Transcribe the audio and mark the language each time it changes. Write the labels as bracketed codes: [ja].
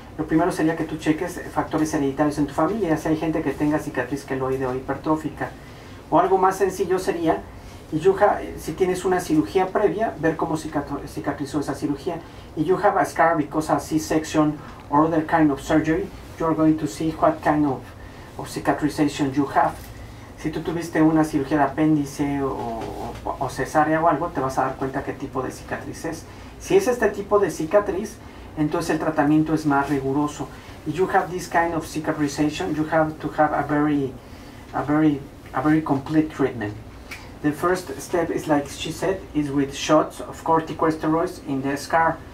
[es] Lo primero sería que tú cheques factores hereditarios en tu familia, si hay gente que tenga cicatriz queloide o hipertrófica. O algo más sencillo sería, si tienes una cirugía previa, ver cómo cicatrizó esa cirugía. [en] If you have a scar because of C-section or other kind of surgery, you're going to see what kind of cicatrization you have. [es] Si tú tuviste una cirugía de apéndice o cesárea o algo, te vas a dar cuenta qué tipo de cicatriz es. Si es este tipo de cicatriz, entonces el tratamiento es más riguroso. [en] If you have this kind of cicatrization, you have to have a very complete treatment. The first step is, like she said, is with shots of corticosteroids in the scar.